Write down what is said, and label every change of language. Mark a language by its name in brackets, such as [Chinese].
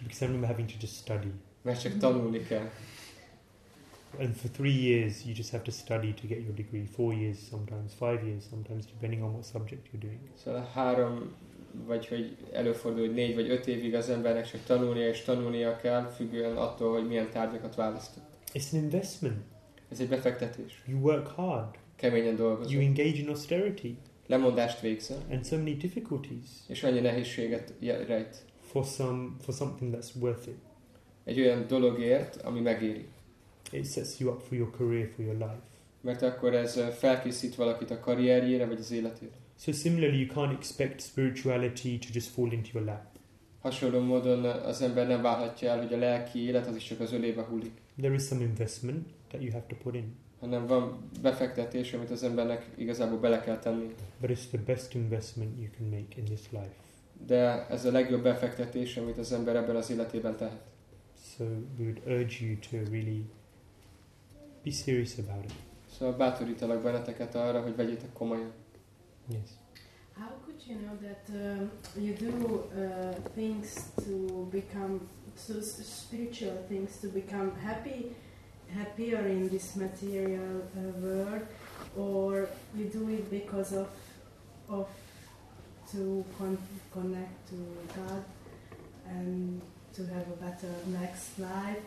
[English] Because I remember having to just study. [Hungarian] Mert csak tanulni kell. [English] And for 3 years, you just have to study to get your degree. 4 years sometimes, 5 years sometimes, depending on what subject you're doing. [Hungarian] So három, vagy hogy előfordul, hogy 4 vagy 5 évig az embernek csak tanulnia és tanulnia kell, függően attól, hogy milyen tárgyakat választott. [English] It's an investment. [Hungarian] Ez egy befektetés. [English] You work hard. [Hungarian] Keményen dolgozol. [English] You engage in austerity. [Hungarian] Lemondást végzel. [English] And so many difficulties. [Hungarian] És annyi nehézséget rejt. [English] For something that's worth it. [Hungarian] Egy olyan dologért, ami megéri. [English] It sets you up for your career, for your life. [Hungarian] Mert akkor ez felkészít valakit a karrierjére, vagy az életére. [English] So similarly, you can't expect spirituality to just fall into your lap. [Hungarian] Hasonló módon az ember nem várhatja el, hogy a lelki élet az is csak az ölébe hullik. [English] There is some investment that you have to put in. [Hungarian] Hanem van befektetés, amit az embernek igazából bele kell tenni. [English] But it's the best investment you can make in this life. [Hungarian] De ez a legjobb befektetés, amit az ember ebben az életében tehet. [English] So we would urge you to really be serious about it. [Hungarian] So bátorítalak benneteket arra, hogy vegyétek komolyan. [English] Yes. How could you know that you do things to become so spiritual things to become happier in this material world, or you do it because of to connect to God and to have a better next life?